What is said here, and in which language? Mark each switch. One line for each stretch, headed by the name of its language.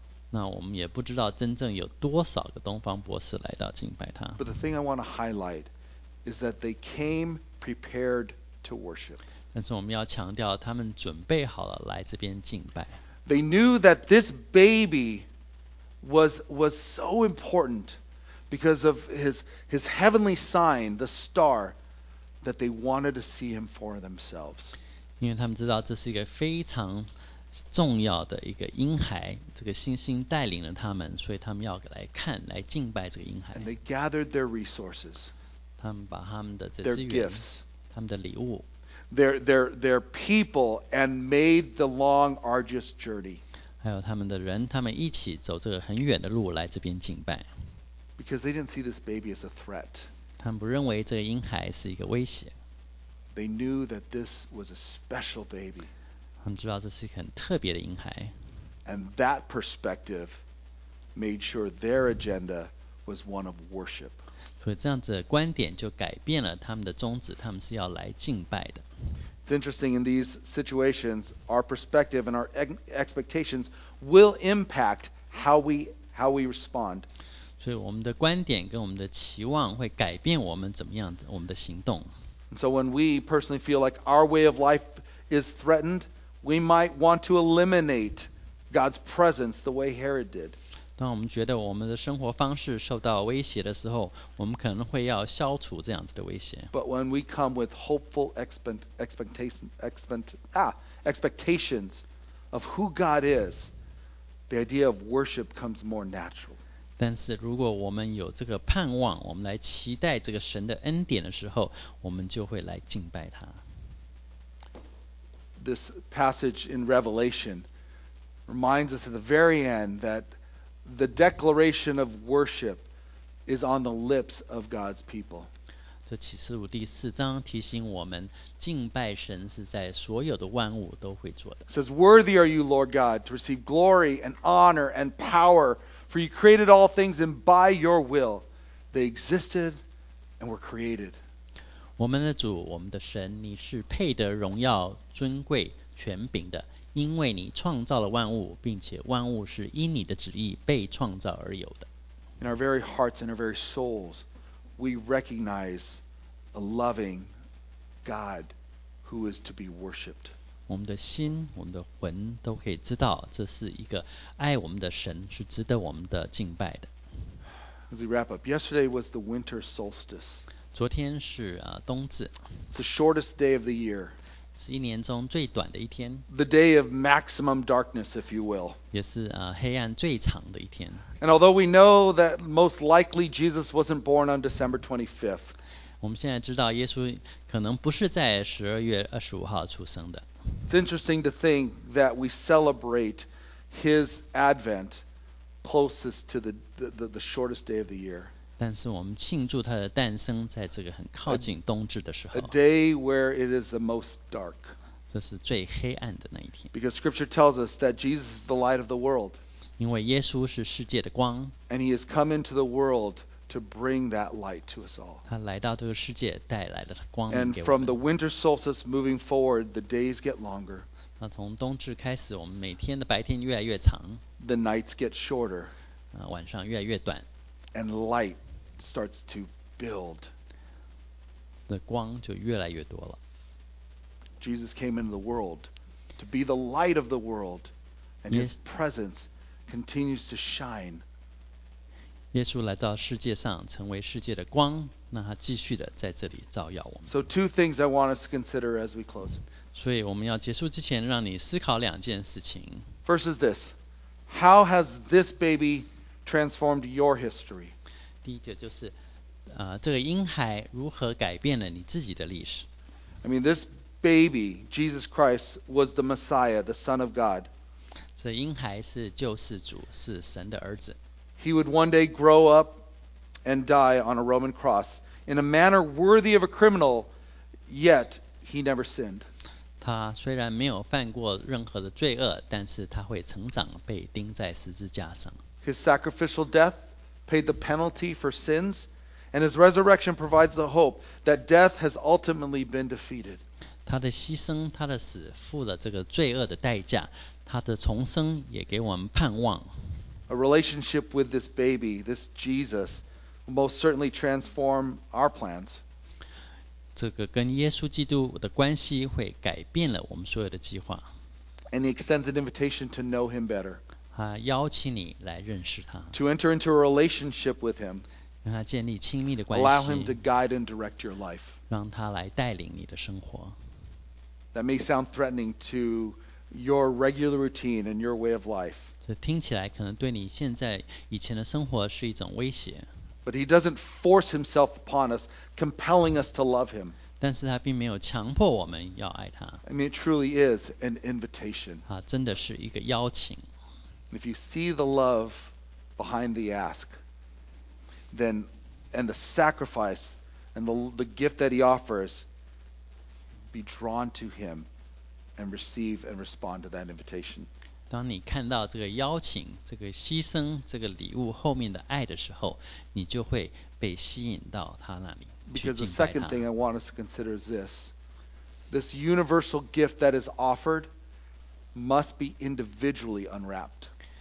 Chinese: 那我们也不知道真正有多少个东方博士来到敬拜他。
English: But the thing I want to highlight is that they came prepared to worship.
Chinese: 但是我们要强调，他们准备好了来这边敬拜。
English: They knew that this baby was so important because of his heavenly sign, the star, that they wanted to see him for themselves.
Chinese: 因为他们知道这是一个非常重要的一个婴孩，这个星星带领了他们，所以他们要来看、来敬拜这个婴孩。
English: And they gathered their resources.
Chinese: 他们把他们的这资源、
English: their gifts,
Chinese: 他们的礼物。
English: Their people and made the long arduous journey.
Chinese: 还有他们的人，他们一起走这个很远的路来这边敬拜。
English: Because they didn't see this baby as a threat.
Chinese: 他们不认为这个婴孩是一个威胁。
English: They knew that this was a special baby.
Chinese: 他们知道这是一个很特别的婴孩。
English: And that perspective made sure their agenda was one of worship.
Chinese: 所以这样子的观点就改变了他们的宗旨，他们是要来敬拜的。
English: It's interesting in these situations, our perspective and our expectations will impact how we respond.
Chinese: 所以我们的观点跟我们的期望会改变我们怎么样的我们的行动。
English: And so when we personally feel like our way of life is threatened, we might want to eliminate God's presence the way Herod did.
Chinese: 当我们觉得我们的生活方式受到威胁的时候，我们可能会要消除这样子的威胁。
English: But when we come with hopeful expectations of who God is, the idea of worship comes more natural.
Chinese: 但是如果我们有这个盼望，我们来期待这个神的恩典的时候，我们就会来敬拜他。
English: This passage in Revelation reminds us at the very end that. The declaration of worship is on the lips of God's people.
Chinese: 这启示录第四章提醒我们，敬拜神是在所有的万物都会做的。
English: It says, "Worthy are you, Lord God, to receive glory and honor and power, for you created all things, and by your will they existed and were created."
Chinese: 我们的主，我们的神，你是配得荣耀、尊贵、权柄的。因为你创造了万物，并且万物是因你的旨意被创造而有的。
English: In our very hearts and our very souls, we recognize a loving God who is to be worshipped.
Chinese: 我们的心我们的魂都可以知道这是一个爱我们的神是值得我们的敬拜的
English: As we wrap up, yesterday was the winter solstice.
Chinese: 昨天是冬至
English: It's the shortest day of the year.
Chinese: 是一年中最短的一天
English: The day of maximum darkness, if you will.
Chinese: 也是黑暗最长的一天
English: And although we know that most likely Jesus wasn't born on December 25th,
Chinese: 我们现在知道耶稣可能不是在十二月二十五号出生的。
English: It's interesting to think that we celebrate his advent closest to the shortest day of the year.
Chinese: 但是我们庆祝他的诞生在这个很靠近冬至的时候。
English: A day where it is the most dark.
Chinese: 这是最黑暗的那一天。
English: Because Scripture tells us that Jesus is the light of the world.
Chinese: 因为耶稣是世界的光。
English: And he has come into the world. To bring that light to us all.
Chinese: 他来到这个世界，带来了光给我们。
English: And from the winter solstice moving forward, the days get longer.
Chinese: 那从冬至开始，我们每天的白天越来越长。
English: The nights get shorter.
Chinese: 晚上越来越短。
English: And light starts to build.
Chinese: 那光就越来越多了。
English: Jesus came into the world to be the light of the world, and his presence continues to shine.
Chinese: 耶稣来到世界上成为世界的光那他继续的在这里照耀我们
English: So two things I want us to consider as we close
Chinese: 所以我们要结束之前让你思考两件事情
English: First is this How has this baby transformed your history?
Chinese: 第一个就是这个婴孩如何改变了你自己的历史
English: I mean this baby Jesus Christ was the Messiah the Son of God
Chinese: 这婴孩是救世主是神的儿子
English: He would one day grow up and die on a Roman cross in a manner worthy of a criminal, yet he never sinned.
Chinese: 他虽然没有犯过任何的罪恶，但是他会成长，被钉在十字架上。
English: His sacrificial death paid the penalty for sins, and his resurrection provides the hope that death has ultimately been defeated.
Chinese: 他的牺牲，他的死，付了这个罪恶的代价，他的重生也给我们盼望。
English: A relationship with this baby, this Jesus, will most certainly transform our plans.
Chinese: 这个跟耶稣基督的关系会改变了我们所有的计划。
English: And he extends an invitation to know him better.
Chinese: 他邀请你来认识他。
English: To enter into a relationship with him.
Chinese: 让他建立亲密的关系。
English: Allow him to guide and direct your life.
Chinese: 让他来带领你的生活。
English: That may sound threatening to your regular routine and your way of life.
Chinese: 这听起来可能对你现在以前的生活是一种威胁。
English: But he doesn't force himself upon us, compelling us to love him.
Chinese: 但是他并没有强迫我们要爱他。
English: I mean, it truly is an invitation.
Chinese: 啊，真的是一个邀请。
English: If you see the love behind the ask, then and the sacrifice and the gift that he offers, be drawn to him and receive and respond to that invitation.
Chinese: 当你看到这个邀请、这个牺牲、这个礼物后面的爱的时候，你就会被吸引到他那里去敬拜他。
English: Because the second thing I want us to consider is this: this universal gift that is offered must be individually unwrapped.